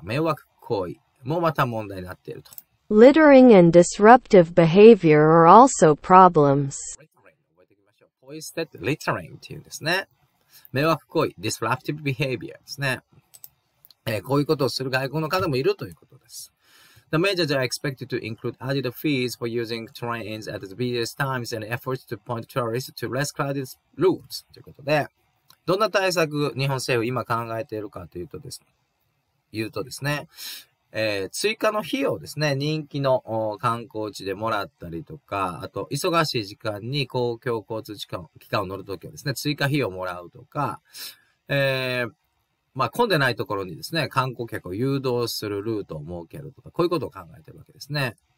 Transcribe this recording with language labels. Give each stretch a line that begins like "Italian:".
Japanese: 迷惑行為もまた問題になっていると。
English: littering and disruptive behavior are also problems.
Japanese: littering。 覚えていきましょう。ポイ捨てって littering っていうんですね。迷惑行為、
English: disruptive behavior
Japanese: ですね。こういうことをする外国の方もいるということです。
English: The measures are expected to include added fees for using trains at the busiest times and efforts to point tourists to less crowded routes.
Japanese: ということで、どんな対策日本政府今考えているかというとですね、追加の費用ですね、人気の観光地でもらったりとか、あと忙しい時間に公共交通機関を乗るときはですね、追加費用をもらうとか、まあ、混んでないところにですね、観光客を誘導するルートを設けるとか、こういうことを考えてるわけですね。